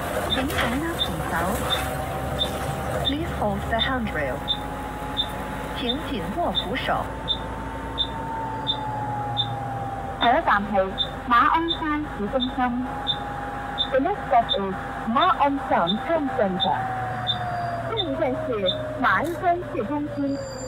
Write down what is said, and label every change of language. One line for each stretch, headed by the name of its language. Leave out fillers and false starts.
Chinese: 请紧握扶手。
English: Please hold the handrail.
Chinese: 请紧握扶手。下一站是马鞍山市中心。
English: The next stop is Ma Ong Shan Town Center.
Chinese: 下一站是马鞍山市中心。